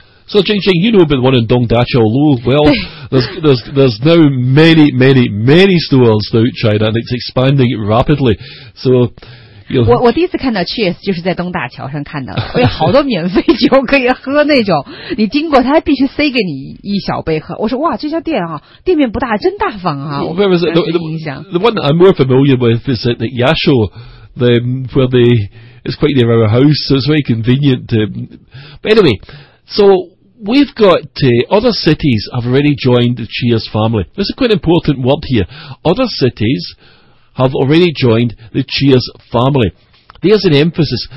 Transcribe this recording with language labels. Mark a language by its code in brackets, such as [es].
[en] So, Jingjing, you know about the one in Dongdaqiao, Lu. Well, there's now many, many, many stores throughout China, and it's expanding rapidly. So, you know, [zh] 我第一次看到 Cheers 就是在东大桥上看到的，有好多免费酒可以喝那种。你经过他还必须塞给你一小杯喝。我说哇，这家店啊，店面不大，真大方啊。 [en] Where was it? The one that I'm more familiar with is at the Yashou, it's quite near our house, so it's very convenient. But anyway. So, we've got, other cities have already joined the Cheers family. This is quite an important word here. Other cities have already joined the Cheers family. There's an emphasis.